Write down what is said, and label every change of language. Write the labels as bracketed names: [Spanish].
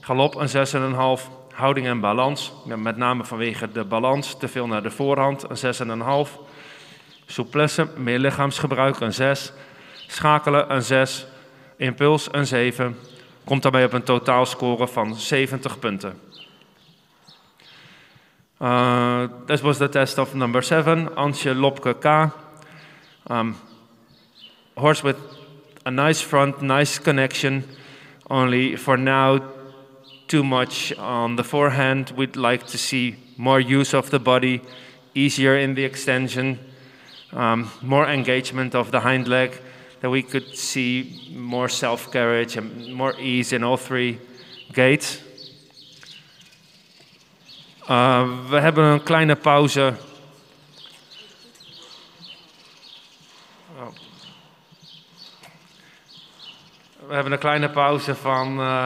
[Dutch] Galop een 6,5. Houding en balans, met name vanwege de balans, te veel naar de voorhand, een 6,5. Souplesse, meer lichaamsgebruik, een 6. Schakelen, een 6. Impuls, een 7. Komt daarmee op een totaalscore van 70 punten. [English] This was the test of number 7, Antje Lopke K. Horse with a nice front, nice connection, only for now too much on the forehand. We'd like to see more use of the body, easier in the extension, more engagement of the hind leg, that we could see more self-carriage and more ease in all three gates. [Dutch] We hebben een kleine pauze. We hebben een kleine pauze van...